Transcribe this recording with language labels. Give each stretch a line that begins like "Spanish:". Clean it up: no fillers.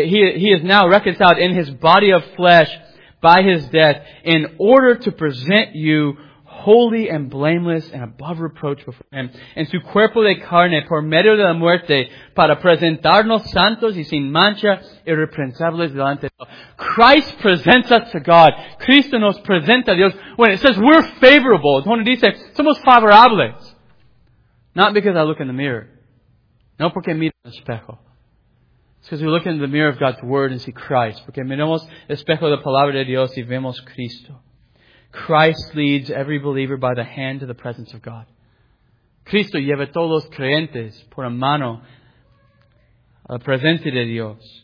English: He is now reconciled in His body of flesh by His death in order to present you holy and blameless and above reproach before Him.
Spanish: En su cuerpo de carne por medio de la muerte para presentarnos santos y sin mancha irreprensibles delante de Dios.
English: Christ presents us to God.
Spanish: Cristo nos presenta a Dios.
English: When it says we're favorable,
Spanish: es cuando dice somos favorables.
English: Not because I look in the mirror.
Spanish: No porque miro en el espejo.
English: It's because we look in the mirror of God's Word and see Christ.
Spanish: Porque miramos el espejo de la palabra de Dios y vemos Cristo.
English: Christ leads every believer by the hand to the presence of God.
Spanish: Cristo lleva todos los creyentes por la mano a la presencia de Dios.